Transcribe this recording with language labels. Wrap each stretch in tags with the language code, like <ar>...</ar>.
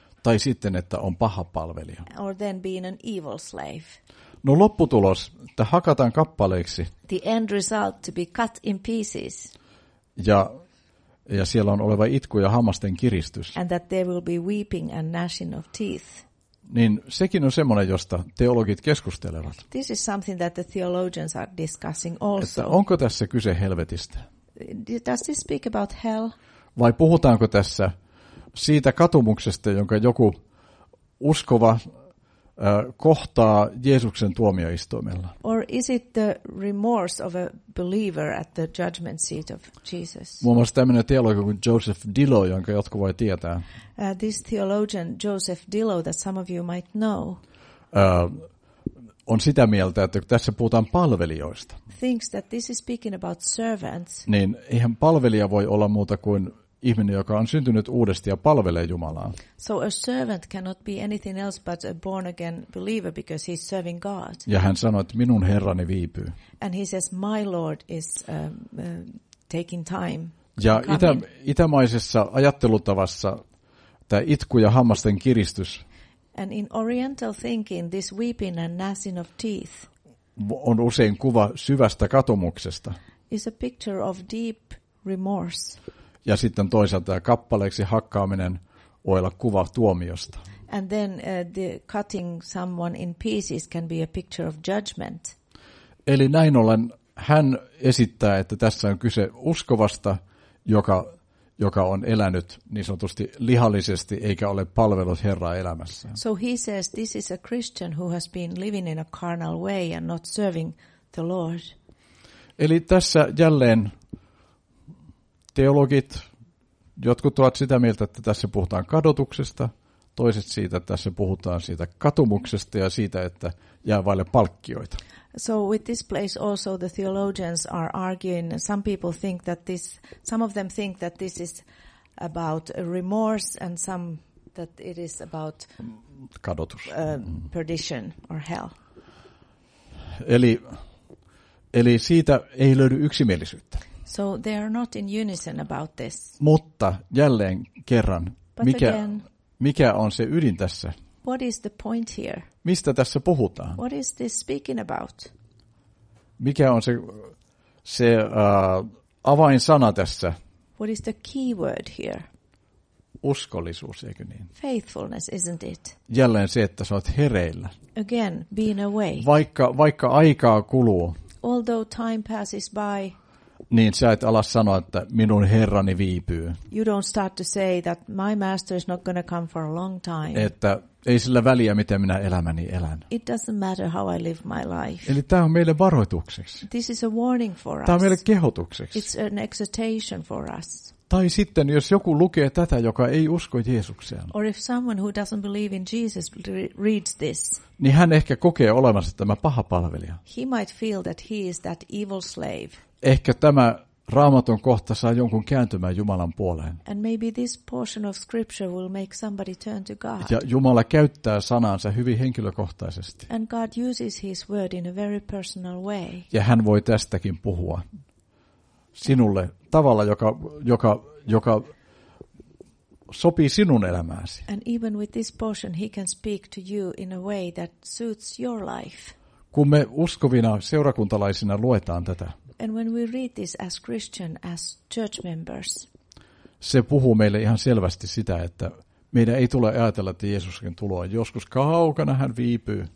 <fi>Tai sitten, että on paha palvelija.</fi> <en>Or then being an evil slave.</en> <fi>No lopputulos, että hakataan kappaleiksi.</fi> <en>The end result to be cut in pieces.</en> <fi>Ja siellä on oleva itku ja hammasten kiristys.</fi> <en>And that there will be weeping and gnashing of teeth.</en> <fi>Niin sekin on semmoinen, josta teologit keskustelevat.</fi> <en>This is something that the theologians are discussing also.</en> <fi>Että onko tässä kyse helvetistä?</fi> <en>Does this speak about hell?</en> <fi>Vai puhutaanko tässä siitä katumuksesta, jonka joku uskova kohtaa Jeesuksen tuomioistuimella?</fi> <en>Or is it the remorse of a believer at the judgment seat of Jesus?</en> <fi>Muun muassa tämmöinen teologi kuin Joseph Dillo, jonka jotkut voi tietää.</fi> <en>This theologian Joseph Dillo that some of you might know.</en> <fi>On sitä mieltä, että tässä puhutaan palvelijoista.</fi> <en>Thinks that this is speaking about servants.</en> <fi>Niin eihän palvelija voi olla muuta kuin ihminen, joka on syntynyt uudesti ja palvelee Jumalaa.</fi> <en>So a servant cannot be anything else but a born again believer because he's serving God.</en> <fi>Ja hän sanoi, että minun Herrani viipyy.</fi> <en>And he says my Lord is taking time.</en> <fi>Ja itämaisessa ajattelutavassa tämä itku ja hammasten kiristys.</fi> <en>And in oriental thinking this weeping and gnashing of teeth.</en> <fi>On usein kuva syvästä katumuksesta.</fi> <en>Is a picture of deep remorse.</en> <fi>Ja sitten toisaalta kappaleeksi hakkaaminen voi olla kuva tuomiosta.</fi> <en>And then the cutting someone in pieces can be a picture of judgment.</en> <fi>Eli näin ollen hän esittää, että tässä on kyse uskovasta, joka on elänyt niin sanotusti lihallisesti eikä ole palvellut Herraa elämässä.</fi> <en>So he says this is a Christian who has been living in a carnal way and not serving the Lord.</en> <fi>Eli tässä jälleen teologit, jotkut ovat sitä mieltä, että tässä puhutaan kadotuksesta, toiset siitä, että tässä puhutaan siitä katumuksesta ja siitä, että jää vaille palkkioita.</fi> <en>So with this place also the theologians are arguing, some people think that this, some of them think that this is about remorse and some that it is about</en> <fi>kadotus.</fi> <en>Perdition or hell.</en> <fi>Eli siitä ei löydy yksimielisyyttä.</fi> <en>So they are not in unison about this.</en> <fi>Mutta jälleen kerran, mikä on se ydin tässä?</fi> <en>What is the point here?</en> <fi>Mistä tässä puhutaan?</fi> <en>What is this speaking about?</en> <fi>Mikä on se avainsana tässä?</fi> <en>What is the key word here?</en> <fi>Uskollisuus, eikö niin?</fi> <en>Faithfulness, isn't it?</en> <fi>Jälleen se, että sä oot hereillä.</fi> <en>Again, being awake.</en> <fi>Vaikka aikaa kuluu.</fi> <en>Although time passes by.</en> <fi>Niin sä et ala sanoa, että minun Herrani viipyy.</fi> <en>You don't start to say that my master is not going to come for a long time.</en> <fi>Että ei sillä väliä, miten minä elämäni elän.</fi> <en>It doesn't matter how I live my life.</en> <fi>Eli tämä on meille varoitukseksi.</fi> <en>This is a warning for us.</en> <fi>Tämä on meille kehotukseksi.</fi> <en>It's an exhortation for us.</en> <fi>Tai sitten, jos joku lukee tätä, joka ei usko Jeesukseen.</fi> <en>Or if someone who doesn't believe in Jesus reads this.</en> <fi>Niin hän ehkä kokee olevansa tämä paha palvelija.</fi> <en>He might feel that he is that evil slave.</en> <fi>Ehkä tämä Raamatun kohta saa jonkun kääntymään Jumalan puoleen.</fi> <en>And maybe this portion of scripture will make somebody turn to God.</en> <fi>Ja Jumala käyttää sanansa hyvin henkilökohtaisesti.</fi> <en>And God uses his word in a very personal way.</en> <fi>Ja hän voi tästäkin puhua sinulle tavalla, joka sopii sinun elämääsi.</fi> <en>And even with this portion he can speak to you in a way that suits your life.</en> <fi>Kun me uskovina seurakuntalaisina luetaan tätä.</fi> <en>And when we read this as Christian, as church members.</en> <fi>Se puhuu meille ihan selvästi sitä, että meidän ei tule ajatella, että Jeesuskin tuloa joskus kaukana hän viipyy.</fi>